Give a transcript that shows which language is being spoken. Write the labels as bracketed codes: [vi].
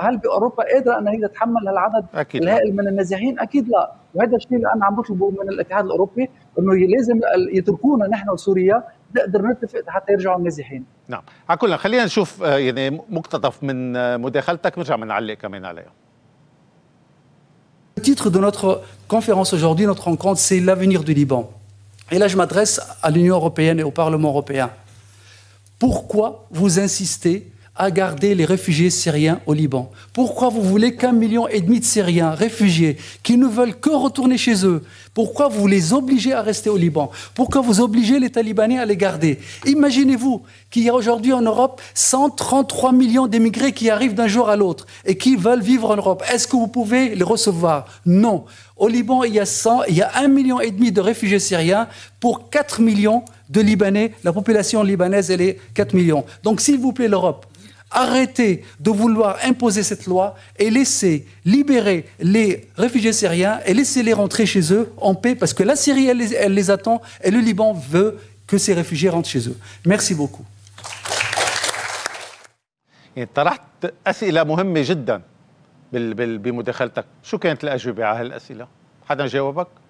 [ar] هل بأوروبا قادرة أنها تتحمل هالعدد الهائل من النازحين؟ أكيد لا. وهذا الشيء اللي أنا عم بطلبه من الاتحاد الأوروبي، أنه لازم يتركونا نحن وسوريا نقدر نتفق حتى يرجعوا النازحين. نعم، عكلا خلينا نشوف يعني مقتطف من مداخلتك، نرجع منعلق كمان عليه. [fr] Le titre de notre conférence aujourd'hui, notre rencontre, c'est l'avenir du Liban. Et là, je m'adresse à l'Union européenne et au Parlement européen. Pourquoi vous insistez à garder les réfugiés syriens au Liban? Pourquoi vous voulez 1,5 million de Syriens réfugiés qui ne veulent que retourner chez eux? Pourquoi vous les obligez à rester au Liban? Pourquoi vous obligez les talibanais à les garder? Imaginez-vous qu'il y a aujourd'hui en Europe 133 millions d'émigrés qui arrivent d'un jour à l'autre et qui veulent vivre en Europe. Est-ce que vous pouvez les recevoir? Non. Au Liban, il y a 1,5 million de réfugiés syriens pour 4 millions de Libanais. La population libanaise, elle est 4 millions. Donc, s'il vous plaît, l'Europe, arrêtez de vouloir imposer cette loi et laissez libérer les réfugiés syriens et laissez-les rentrer chez eux en paix, parce que la Syrie, elle les attend, et le Liban veut que ces réfugiés rentrent chez eux. Merci beaucoup. [ar] طرحت أسئلة مهمة جدا بمداخلتك. شو كانت الأجوبة على هالأسئلة؟ حدا جاوبك؟